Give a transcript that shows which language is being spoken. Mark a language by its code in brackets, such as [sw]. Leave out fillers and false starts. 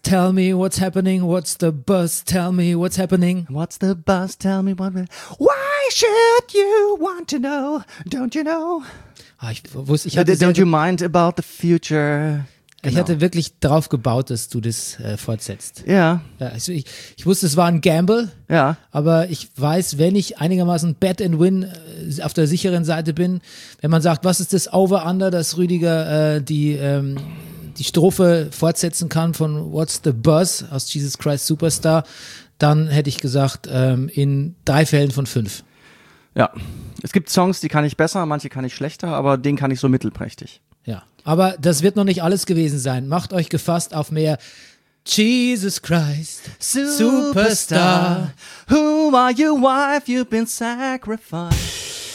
[en] Tell me what's happening. What's the bus? Tell me what's happening. What's the bus? Tell me what. Why should you want to know? Don't you know? [de] Ah, ich wusste, ich hatte [en] don't you mind about the future? [de] Genau. Ich hatte wirklich drauf gebaut, dass du das fortsetzt. Ja. Also ich wusste, es war ein Gamble. Ja. Aber ich weiß, wenn ich einigermaßen bet and win auf der sicheren Seite bin, wenn man sagt, was ist das Over-Under, dass Rüdiger die Strophe fortsetzen kann von What's the Buzz aus Jesus Christ Superstar, dann hätte ich gesagt, in 3 Fällen von 5. Ja, es gibt Songs, die kann ich besser, manche kann ich schlechter, aber den kann ich so mittelprächtig. Ja, aber das wird noch nicht alles gewesen sein. Macht euch gefasst auf mehr Jesus Christ Superstar. [en] Who are you, why have you been sacrificed?